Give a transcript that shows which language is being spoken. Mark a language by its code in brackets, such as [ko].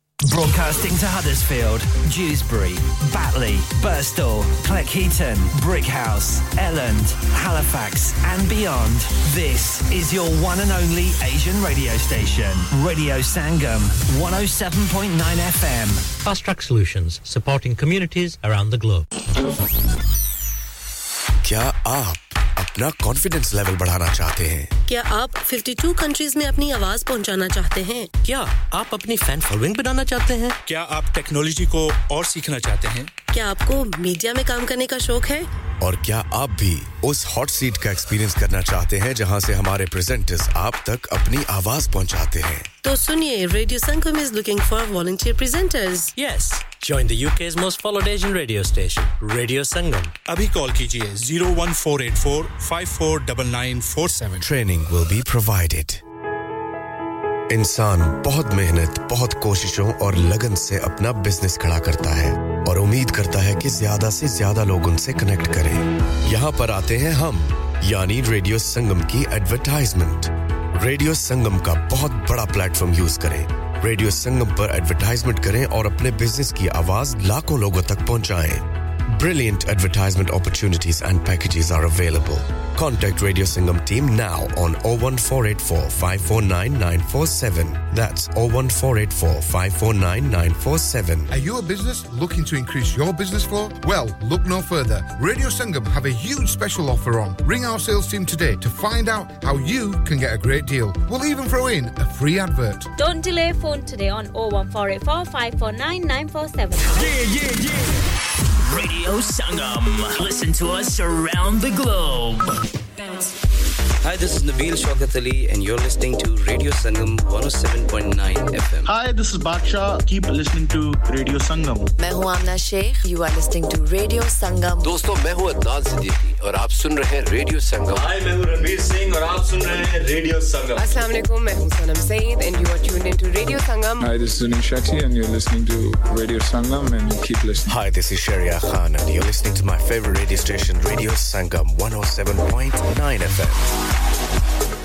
[en] Broadcasting to Huddersfield, Dewsbury, Batley, Birstall, Cleckheaton, Brickhouse, Elland, Halifax and beyond. This is your one and only Asian radio station. Radio Sangam, 107.9 FM. Fast Track Solutions, supporting communities around the globe. [hi] Kya aap अपना confidence level बढ़ाना चाहते हैं क्या आप 52 countries में अपनी आवाज पहुंचाना चाहते हैं क्या आप अपनी फैन फॉलोइंग बनाना चाहते हैं क्या आप टेक्नोलॉजी को और सीखना चाहते हैं क्या आपको मीडिया में काम करने का शौक है और क्या आप भी उस हॉट सीट का एक्सपीरियंस करना चाहते हैं जहां से हमारे प्रेजेंटर्स आप तक अपनी आवाज पहुंचाते हैं तो सुनिए radio Sangam [en] is looking for volunteer presenters [hi] yes [en] Join the UK's most followed Asian radio station, Radio Sangam. [hi] Abhi call kijiye 01484-549947. [en] Training will be provided. [hi] इंसान बहुत मेहनत, बहुत कोशिशों और लगन से अपना बिजनेस खड़ा करता है और उम्मीद करता है कि ज्यादा से ज्यादा लोग उनसे कनेक्ट करें। यहाँ पर आते हैं हम, यानी रेडियो संगम की एडवरटाइजमेंट। रेडियो संगम का बहुत बड़ा प्लेटफॉर्म यूज करें। रेडियो संगम पर एडवर्टाइजमेंट करें और अपने बिजनेस की आवाज लाखों लोगों तक पहुंचाएं। [en] Brilliant advertisement opportunities and packages are available. Contact Radio Sangam team now on 01484-549947. That's 01484-549947. Are you a business looking to increase your business flow? Well, look no further. Radio Sangam have a huge special offer on. Ring our sales team today to find out how you can get a great deal. We'll even throw in a free advert. Don't delay, phone today on 01484-549947. Yeah, yeah, yeah. Radio Sangam. Listen to us around the globe. Hi, this is Nabeel Shaukat Ali, and you're listening to Radio Sangam 107.9 FM. Hi, this is Baksha. Keep listening to Radio Sangam. [hi] मैं हूँ आमना Sheikh. [en] You are listening to Radio Sangam. [hi] दोस्तों, मैं हूँ अदनान सिद्दीकी, और आप सुन रहे हैं Radio Sangam. Hi, मैं हूँ रणबीर सिंह, और आप सुन रहे हैं Radio Sangam. [ar] Assalamualaikum. [hi] मैं हूँ [en] Sanam Saeed, and you are tuned into Radio Sangam. Hi, this is Anish Shetty, and you're listening to Radio Sangam, and keep listening. Hi, this is Sharia Khan, and you're listening to my favorite radio station, Radio Sangam 107.9 FM.